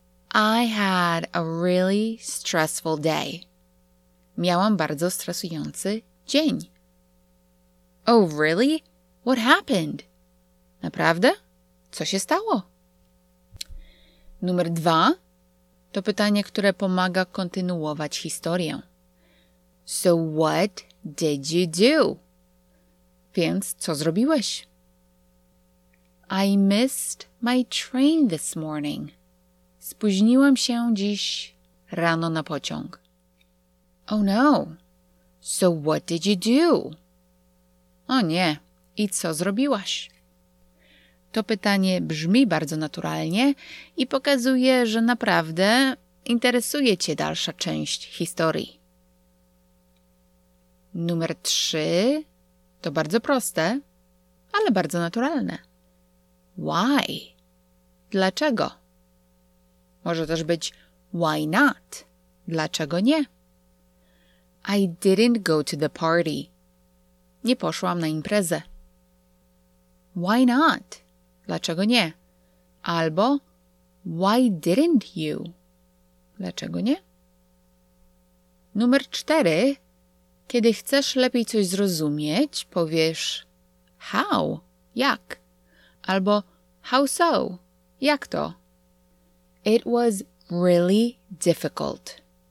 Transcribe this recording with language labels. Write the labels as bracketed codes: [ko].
[en] I had a really stressful day. [pl] Miałam bardzo stresujący dzień. [en] Oh, really? What happened? [pl] Naprawdę? Co się stało? Numer dwa to pytanie, które pomaga kontynuować historię. [en] So what did you do? [pl] Więc co zrobiłeś? [en] I missed my train this morning. [pl] Spóźniłam się dziś rano na pociąg. [en] Oh no. So what did you do? [pl] O nie. I co zrobiłaś? To pytanie brzmi bardzo naturalnie i pokazuje, że naprawdę interesuje Cię dalsza część historii. Numer trzy to bardzo proste, ale bardzo naturalne. [en] Why? [pl] Dlaczego? Może też być [en] why not? [pl] Dlaczego nie? [en] I didn't go to the party. [pl] Nie poszłam na imprezę. [en] Why not? [pl] Dlaczego nie? Albo [en] why didn't you? [pl] Dlaczego nie? Numer cztery. Kiedy chcesz lepiej coś zrozumieć, powiesz [en] how? [pl] Jak? Albo [en] how so? [pl] Jak to? [en] It was really difficult.